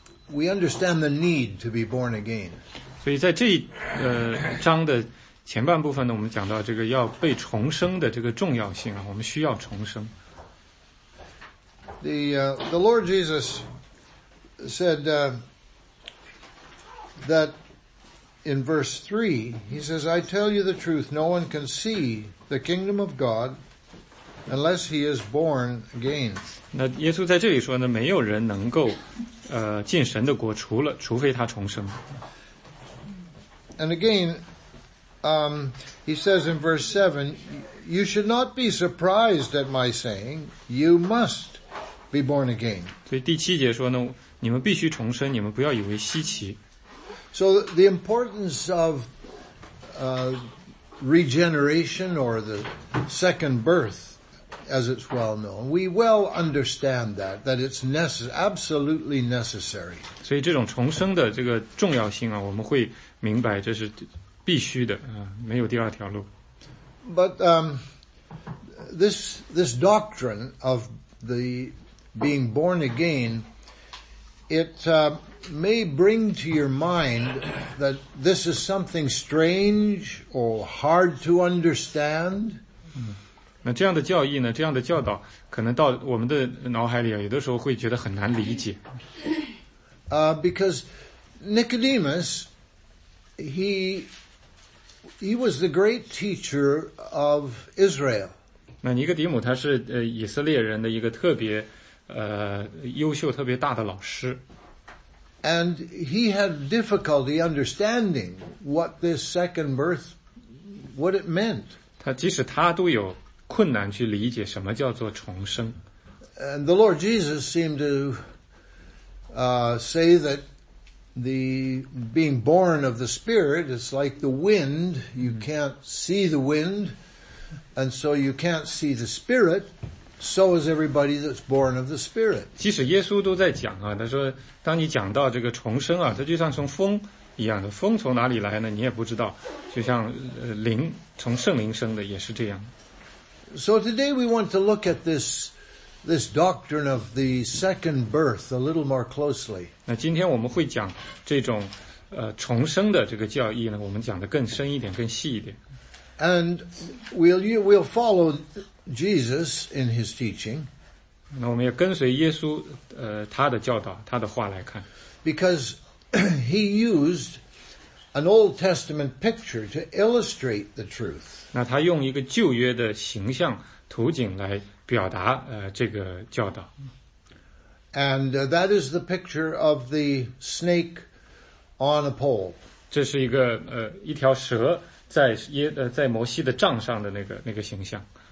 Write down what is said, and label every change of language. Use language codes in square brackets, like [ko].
[en] We understand the need to be born again. [zh] 所以在这一章的前半部分呢，我们讲到这个要被重生的这个重要性啊，我们需要重生。 [en] The Lord Jesus said that. In verse 3, he says, I tell you the truth, no one can see the kingdom of God unless he is born again. [zh] 那耶稣在这里说呢，没有人能够进神的国除非他重生。 [en] And again, he says in verse 7, you should not be surprised at my saying, you must be born again. [zh] 所以第七节说呢，你们必须重生，你们不要以为稀奇。 [en] So the importance of regeneration or the second birth, as it's well known, we well understand that it's absolutely necessary. [zh] 所以这种重生的这个重要性啊，我们会明白这是必须的啊，没有第二条路。 [en] But this doctrine of the being born again, it may bring to your mind that this is something strange or hard to understand. [zh] 那这样的教义呢，这样的教导可能到我们的脑海里啊，有的时候会觉得很难理解。 [en] Because Nicodemus, he was the great teacher of Israel. [zh] 那尼哥底母他是以色列人的一个特别优秀特别大的老师。 [en] And he had difficulty understanding what this second birth, what it meant. [zh] 他即使他都有困难去理解什么叫做重生。 [en] And the Lord Jesus seemed to say that the being born of the Spirit is like the wind. You can't see the wind, and so you can't see the Spirit. So is everybody that's born of the Spirit. [zh] 即使耶稣都在讲啊，他说，当你讲到这个重生啊，它就像从风一样的，风从哪里来呢？你也不知道，就像灵从圣灵生的也是这样。 [en] So today we want to look at this doctrine of the second birth a little more closely. [zh] 那今天我们会讲这种重生的这个教义呢，我们讲的更深一点，更细一点。 [en] And we'll follow Jesus in his teaching. [zh] 那我们也跟随耶稣他的教导他的话来看。 [en] Because he used an Old Testament picture to illustrate the truth. [zh] 那他用一个旧约的形象图景来表达这个教导。 [en] And that is the picture of the snake on a pole. [zh] 这是一个一条蛇在耶在摩西的杖上的那个形象。